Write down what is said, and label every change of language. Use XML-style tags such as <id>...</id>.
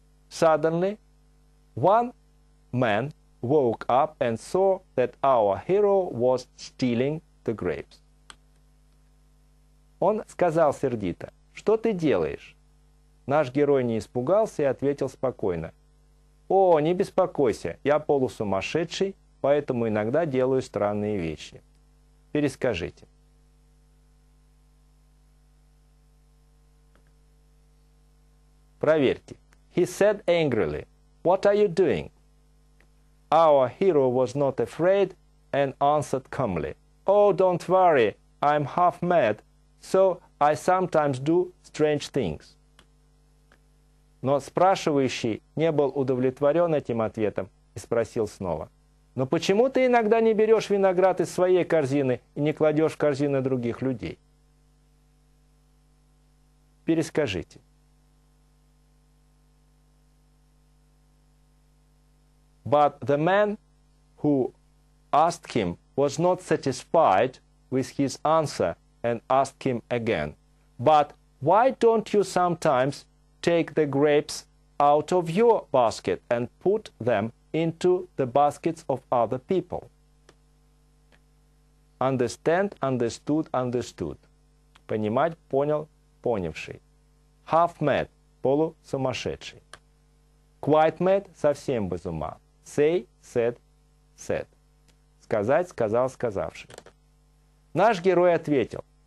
<en>Suddenly, one man woke up and saw that our hero was stealing the grapes.</en> <ru>Он сказал сердито, что ты делаешь? Наш герой не испугался и ответил спокойно. О, не беспокойся, я полусумасшедший, поэтому иногда делаю странные вещи. Перескажите. Проверьте.</ru> <en>He said angrily, what are you doing? Our hero was not afraid and answered calmly. Oh, don't worry, I'm half mad, so I sometimes do strange things.</en> <ru>Но спрашивающий не был удовлетворен этим ответом и спросил снова. Но почему ты иногда не берешь виноград из своей корзины и не кладешь в корзины других людей? Перескажите.</ru> <en>But the man who asked him was not satisfied with his answer and asked him again. But why don't you sometimes take the grapes out of your basket and put them into the baskets of other people? Understand, understood, understood.</en> <ru>Понимать, понял, понявший.</ru> <en>Half mad,</en> <ru>полусумасшедший.</ru> <en>Quite mad,</en> <ru>совсем без ума.</ru> <en>Say, said, said.</en> <ru>Сказать, сказал, сказавший. Наш герой ответил.</ru>